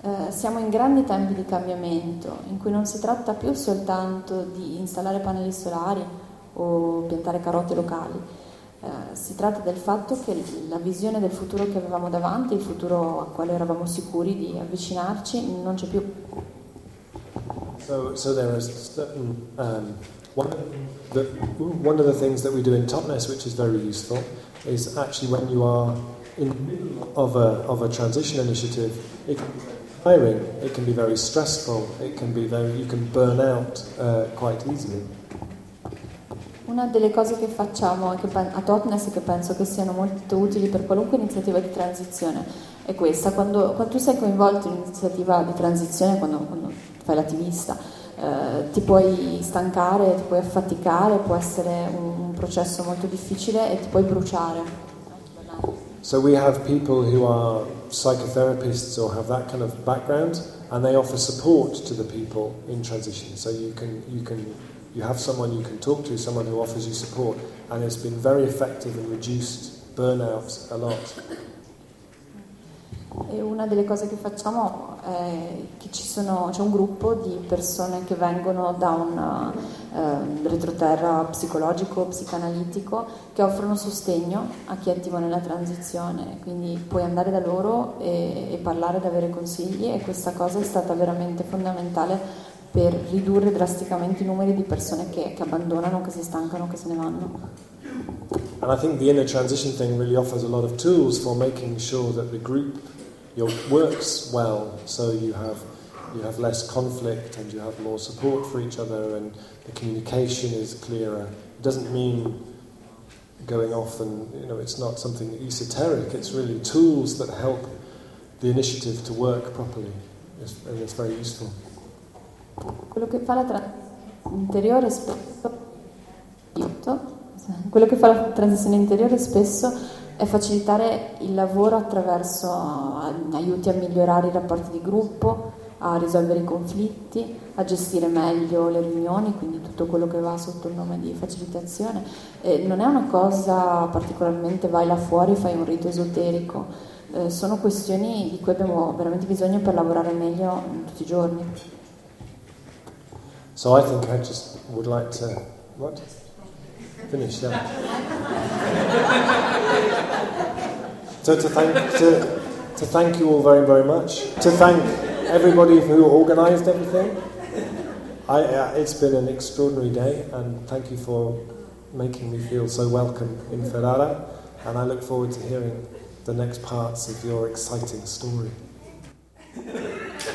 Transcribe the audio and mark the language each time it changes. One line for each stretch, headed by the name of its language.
Italian: Siamo in grandi tempi di cambiamento in cui non si tratta più soltanto di installare pannelli solari o piantare carote locali, si tratta del fatto che la visione del futuro che avevamo davanti, il futuro a quale eravamo sicuri di avvicinarci, non c'è più.
English: So there is certain, one of the things that we do in Totnes, which is very useful, is actually when you are in the middle of a transition initiative, hiring, it can be very stressful, you can burn out quite easily.
Italian: Una delle cose che facciamo a Totnes e che penso che siano molto utili per qualunque iniziativa di transizione è questa: quando tu sei coinvolto in un'iniziativa di transizione, quando fai l'attivista, ti puoi stancare, ti puoi affaticare, può essere un processo molto difficile e ti puoi bruciare.
English: So we have people who are psychotherapists or have that kind of background, and they offer support to the people in transition. So you have someone you can talk to, someone who offers you support, and it's been very effective and reduced burnout a lot.
Italian: E una delle cose che facciamo è che c'è un gruppo di persone che vengono da un retroterra psicologico, psicanalitico, che offrono sostegno a chi è attivo nella transizione. Quindi puoi andare da loro e parlare, ad avere consigli, e questa cosa è stata veramente fondamentale per ridurre drasticamente i numeri di persone che abbandonano, che si stancano, che se ne vanno.
English: And I think the inner transition thing really offers a lot of tools for making sure that the group works well, so you have less conflict and you have more support for each other and the communication is clearer. It doesn't mean going off and, you know, it's not something esoteric, it's really tools that help the initiative to work properly, and it's very useful.
Italian: Quello che fa la transizione interiore spesso è facilitare il lavoro attraverso aiuti a migliorare i rapporti di gruppo, a risolvere i conflitti, a gestire meglio le riunioni, quindi tutto quello che va sotto il nome di facilitazione. Non è una cosa particolarmente vai là fuori, fai un rito esoterico, sono questioni di cui abbiamo veramente bisogno per lavorare meglio tutti i giorni.
English: So I think I just would like to what? Finish that. to thank you all very, very much. To thank everybody who organized everything. It's been an extraordinary day, and thank you for making me feel so welcome in Ferrara, and I look forward to hearing the next parts of your exciting story.